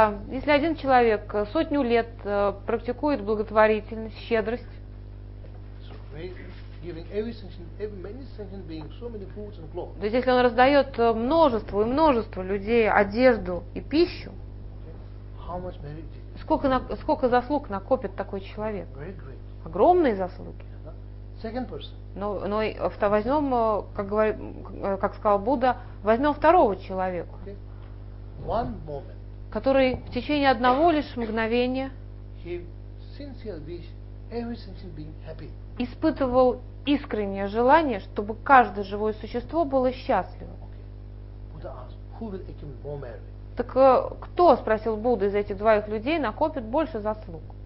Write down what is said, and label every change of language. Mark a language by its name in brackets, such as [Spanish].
[Russian] Если один человек сотню лет практикует благотворительность, щедрость. [English] So giving every many sentient beings so many foods and clothes. [Russian] То есть если он раздает множество и множество людей одежду и пищу. [English] How much merit? [Russian] Сколько заслуг накопит такой человек? [English] Great. [Russian] Огромные заслуги. [English] Second person. [Russian] Но возьмем, как сказал Будда, возьмем второго человека, [English] one moment, [Russian] который в течение одного лишь мгновения [English] he sincerely wished every sentient being happy. [Russian] Испытывал искреннее желание, чтобы каждое живое существо было счастливо. [English] Будда asked, who will accumulate more merit? [Russian] Так кто, спросил Будда, из этих двоих людей накопит больше заслуг?